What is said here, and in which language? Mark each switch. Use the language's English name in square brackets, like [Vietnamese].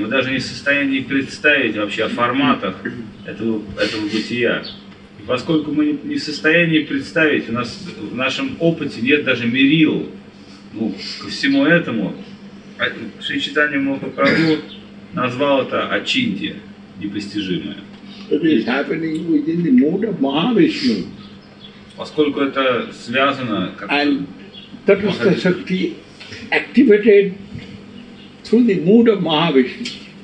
[Russian] Мы даже не в состоянии представить вообще о форматах этого бытия. И поскольку мы не в состоянии представить, у нас в нашем опыте нет даже мерил ко всему этому, Шри Чайтанья Махапрабху назвал это Ачинтья, непостижимое. [English] It is happening within the mood of Mahavishnu. [Russian] Поскольку это связано как [English] And Tattvastha Shakti activated through the mood of Mahavishnu.